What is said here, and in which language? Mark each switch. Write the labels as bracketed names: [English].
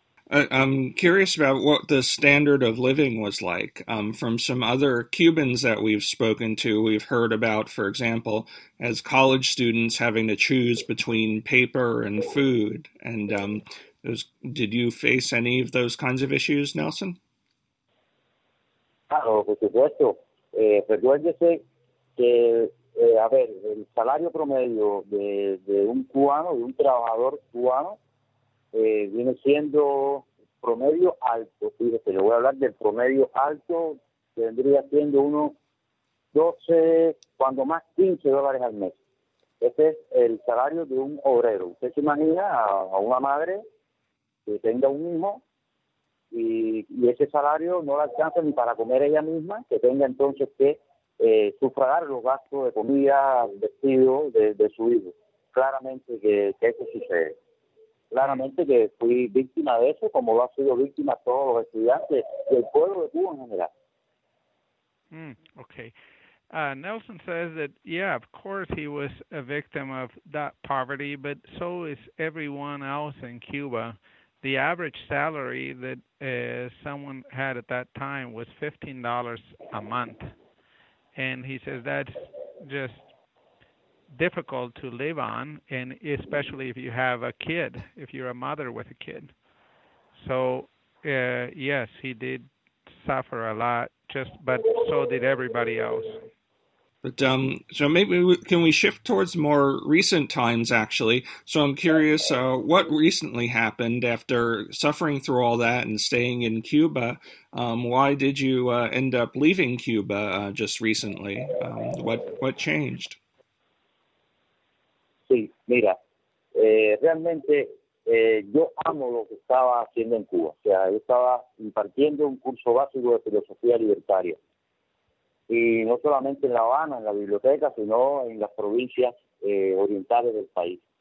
[English] I'm curious about what the standard of living was like. From some other Cubans that we've spoken to, we've heard about, for example, as college students having to choose between paper and food. And did you face any of those kinds of issues, Nelson? [Spanish] Claro, por supuesto. Recuérdese que, el salario promedio de un cubano, de un trabajador cubano, viene siendo promedio alto. Fíjese, le voy a hablar del promedio alto, que vendría siendo unos 12, cuando más $15 al mes. Ese es el salario de un obrero. Usted se imagina a una madre que tenga un hijo y ese salario no la alcanza ni para comer ella misma, que tenga entonces que sufragar los gastos de comida, vestido de su hijo. Claramente que eso sucede. Claramente que fui víctima de eso, como lo ha sido víctima todos los estudiantes y el pueblo de Cuba en general. [English] Okay. Nelson says that, yeah, of course he was a victim of that poverty, but so is everyone else in Cuba. The average salary that someone had at that time was $15 a month. And he says that's just difficult to live on, and especially if you have a kid, if you're a mother with a kid. So, yes, he did suffer a lot, but so did everybody else. But can we shift towards more recent times, actually? So I'm curious, what recently happened after suffering through all that and staying in Cuba? Why did you end up leaving Cuba just recently? What changed? [Spanish] Sí, mira, realmente yo amo lo que estaba haciendo en Cuba. O sea, yo estaba impartiendo un curso básico de filosofía libertaria. Y no solamente en La Habana, en la biblioteca, sino en las provincias orientales del país.